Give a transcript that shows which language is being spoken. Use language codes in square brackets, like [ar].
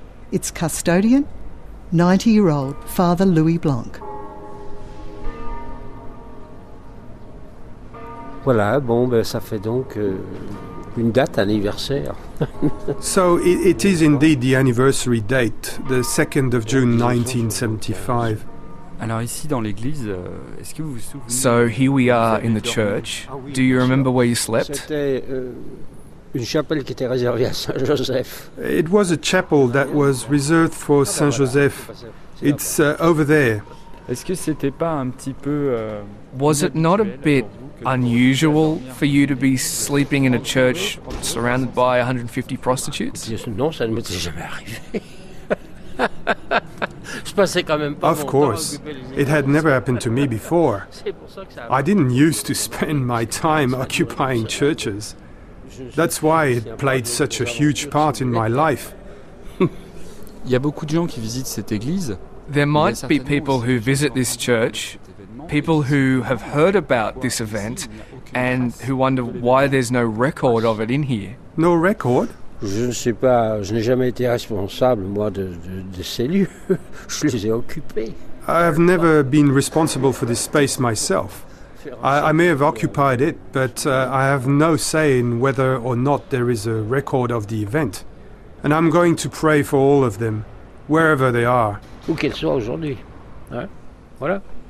[en] Its custodian, 90-year-old Father Louis Blanc. [fr] Voilà, bon, ben, ça fait donc... Une date anniversaire. [en] So it is indeed the anniversary date, the 2nd of June 1975. [fr] Alors ici dans l'église, est-ce que vous vous souvenez? [en] So here we are in the church. Do you remember where you slept? [fr] C'était une chapelle qui était réservée à Saint-Joseph. [en] It was a chapel that was reserved for Saint-Joseph. It's over there. [fr] Est-ce que c'était pas un petit peu [en] Was it not a bit unusual for you to be sleeping in a church surrounded by 150 prostitutes? [fr] Non, ça ne m'était jamais arrivé. Je passais quand même pas. [en] Of course, it had never happened to me before. I didn't used to spend my time occupying churches. That's why it played such a huge part in my life. [fr] Il y a beaucoup de gens qui visitent cette église. [en] There might be people who visit this church, people who have heard about this event and who wonder why there's no record of it in here. No record? [fr] Je ne sais pas, je n'ai jamais été responsable moi de ces lieux. Je les ai occupés. [en] I have never been responsible for this space myself. I may have occupied it, but I have no say in whether or not there is a record of the event. And I'm going to pray for all of them, wherever they are. [fr] Où qu'elles soient aujourd'hui. Hein? Voilà.